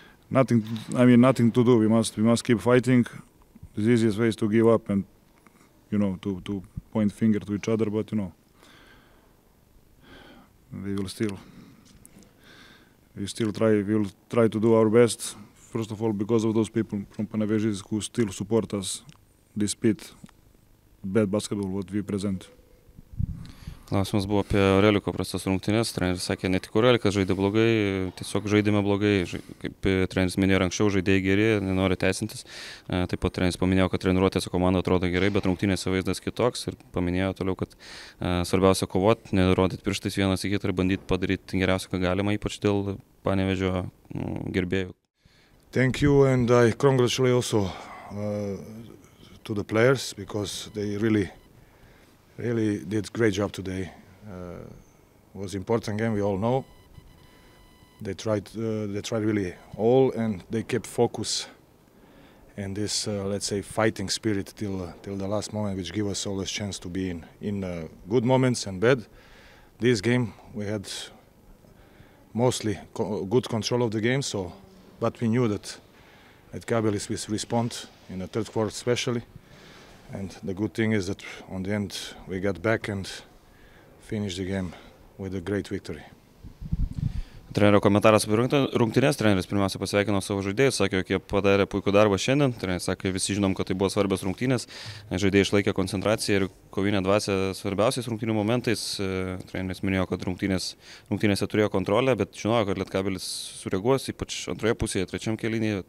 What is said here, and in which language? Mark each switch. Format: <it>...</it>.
<en>nothing to do, we must keep fighting. The easiest way is to give up and, you know, to point finger to each other, but, you know, we will try to do our best, first of all, because of those people from Panevėžys who still support us, despite bad basketball, what we present.</en> <lt>Klausimas buvo apie Reliko prastas rungtynės. Treneris sakė, ne tik Relikas žaidė blogai, tiesiog žaidėme blogai. Kaip treneris minėjo anksčiau, žaidėjai geri, nenori teisintis. Taip pat treneris paminėjo, kad treniruotės komanda atrodo gerai, bet rungtynėse vaizdas kitoks. Ir paminėjo toliau, kad svarbiausia kovoti, nerodyti pirštais vienas į kitą ir bandyti padaryti geriausią, ką galima, ypač dėl Panevėžio gerbėjų.</lt> <en>Thank you and I congratulate also to the players, because they really did great job today. Was important game, we all know. They tried really all, and they kept focus and this, let's say, fighting spirit till the last moment, which give us always chance to be in good moments and bad. This game we had mostly good control of the game, so, but we knew that at Kabelis we respond in the third quarter especially. And the good thing is that on the end we got back and finished the game with a great victory.</en> <lt>Trenerio komentaras apie rungtynės. Treneris pirmiausia pasveikino savo žaidėjus, sakė, jog jie padarė puikų darbą šiandien. Treneris sakė, visi žinom, kad tai buvo svarbios rungtynės. Žaidėjai išlaikė koncentraciją ir kovinę dvasę svarbiausiais rungtynių momentais. Treneris minėjo, kad rungtynėse turėjo kontrolę, bet žinojo, kad Lietkabelis sureaguos, ypač antroje pusėje, trečiam kelinėje.</lt>